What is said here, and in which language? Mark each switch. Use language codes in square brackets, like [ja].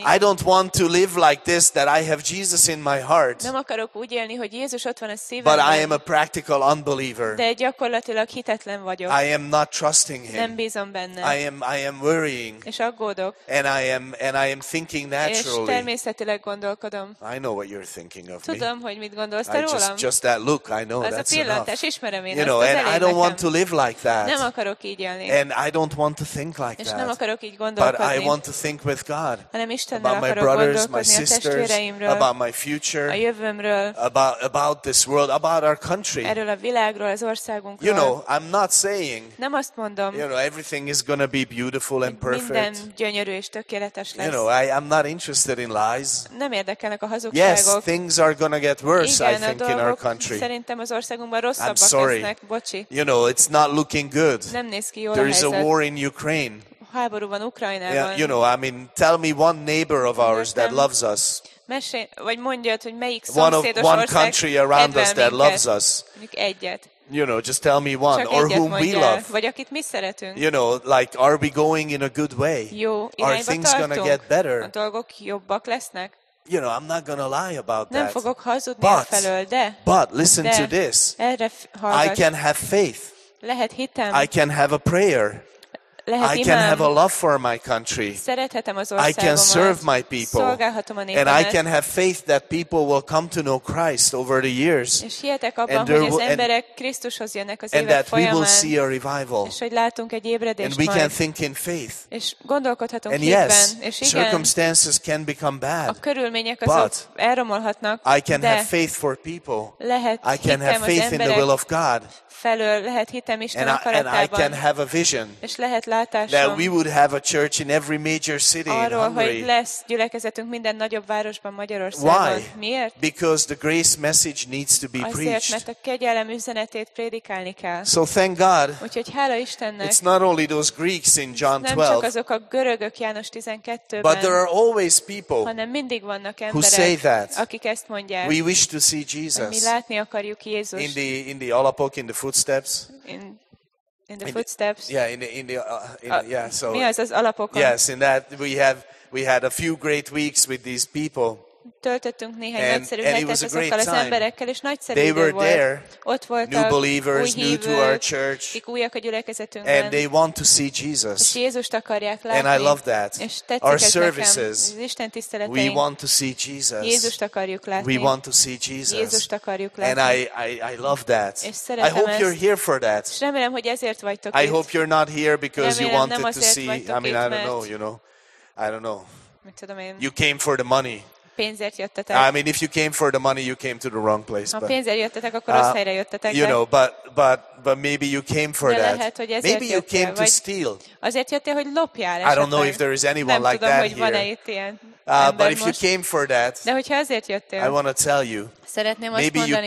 [en] I don't want to live like this, that I have Jesus in my heart. [hu] Nem akarok úgy élni, hogy Jézus ott van a szívemben. [en] But I am a practical unbeliever. [hu] De gyakorlatilag hitetlen vagyok. [en] I am not trusting him. [hu] Nem bízom benne. [en] I am worrying. [hu] És aggódok. [en] And I am thinking naturally. [hu] És természetileg gondolkodom. [en] I know what you're thinking of. [hu] Tudom, hogy mit gondolsz te rólam. [en] Just that look, I know [hu] az [en] that's [hu] a pillantás, [en] enough. [hu] Ismerem én, [en] you know, and I don't want to live like that. [hu] Nem akarok így élni. [en] And I don't want to think like [hu] és [en] that. [hu] Nem akarok így gondolkodni. [en] But I want to think with God. [hu] Hanem Istennel [en] about my brothers, my sisters, about my future, [hu] a jövőmről, [en] about this world, about our country. [hu] Erről a világról, az országunkról. [en] You know, I'm not saying. [hu] Nem azt mondom. [en] You know, everything is gonna be beautiful and perfect. [hu] Minden gyönyörű és tökéletes lesz. [en] You know, I'm not interested in lies. [hu] Nem érdekelnek a hazugságok. [en] Yes, things are gonna get worse, I think, in our country. [hu] Szerintem az országunkban rosszabbak lesznek, bocsi. [en] You know, it's not looking good. [hu] Nem néz ki jól [en] There is [hu] a helyzet. [en] War in Ukraine. [hu] Háború van Ukrajnában. [en] Yeah, you know, I mean, tell me one neighbor of ours that loves us. [hu] Vagy mondjad, hogy melyik szomszédos ország kedvel [en] One country around us that loves us. [hu] Egyet. [en] You know, just tell me one, or whom we love. [hu] Vagy akit mi szeretünk. [en] You know, like, are we going in a good way? [hu] Jó, [en] are things going to get better? [hu] A dolgok jobbak lesznek. [en] You know, I'm not going to lie about [hu] nem [en] that. [hu] Fogok hazudni but, felől, de, [en] but listen to this. [hu] Erre [en] I can have faith. [hu] Lehet hitem. [en] I can have a prayer. [hu] Lehet [en] I [hu] imám. [en] Can have a love for my country. [hu] Szerethetem az [en] I can serve my people. [hu] Szolgálhatom a népemet. [en] And I can have faith that people will come to know Christ over the years. [hu] És hihetek abban, hogy az emberek Krisztushoz jönnek az évek [en] and that [hu] folyamán. [en] We will see a revival. [hu] És hogy látunk egy ébredést [en] And we can think in faith. [hu] És gondolkodhatunk [en] and [hu] hitben. [en] Yes, circumstances can become bad. [hu] A körülmények azok elromolhatnak. [en] I can have faith for people. [hu] Lehet [en] I can have faith in the will of God. [hu] Felől lehet hitem Isten akaratában. [en] And I can have a vision. [hu] És lehet látásom. [en] That we would have a church in every major city [hu] arról, [en] in Hungary. [hu] Hogy lesz gyülekezetünk minden nagyobb városban Magyarországon. [en] Why? [hu] Miért? [en] Because the grace message needs to be [hu] azért, [en] preached. [hu] Mert a kegyelem üzenetét prédikálni kell. [en] So thank God. [hu] Úgyhogy hála Istennek. [en] It's not only those Greeks in John [hu] Nem csak azok a görögök János 12-ben. [en] But there are always people. [hu] Hanem mindig vannak emberek. [en] Who say that. [hu] Akik ezt mondják. [en] We wish to see Jesus. [hu] Mi látni akarjuk Jézust. [en] In the Alapok, in the footsteps. In the footsteps. Yeah, in the so. [hu] Mi az alapokon? [en] Yes, in that we had a few great weeks with these people. [hu] Töltöttünk néhány nagyszerű hetet azokkal az emberekkel, és nagyszerű idő volt. [en] They were there. [hu] Ott voltak. [en] New believers, new to our church. [hu] Kik újak a gyülekezetünkben. [en] And they want to see Jesus. [hu] És Jézust akarják látni. [en] And I love that. [hu] És tetszik ez [en] our services. [hu] Nekem. Az Isten tiszteleteink. [en] We want to see Jesus. [hu] Jézust akarjuk látni. [en] We want to see Jesus. [hu] Jézust akarjuk látni. [en] And I love that. [hu] És szeretem [en] I hope [hu] ezt. [en] You're here for that. [hu] És remélem, hogy ezért vagytok itt. [en] I hope you're not here because [hu] remélem, [en] you wanted to see. I mean, I don't know, you know. I don't know. [hu] Mit tudom én? [en] You came for the money. [hu] Pénzért jöttetek. [en] I mean, if you came for the money, you came to the wrong place. [hu] Ha pénzért jöttetek, akkor rossz helyre jöttetek. [en] You know, but maybe you came for [hu] de [en] that. [hu] Lehet, hogy ezért [en] maybe you came to steal. [hu] Azért jöttél, hogy lopjál. Esetleg. [en] I don't know if there is anyone [hu] nem tudom, [en] that [hu] hogy [en] here. [hu] Van-e itt ilyen [en] but if [hu] most, [en] you came for that, [hu] de hogyha ezért jöttél, [en] I want to tell you. [hu] Szeretném azt [en] maybe [hu] mondani.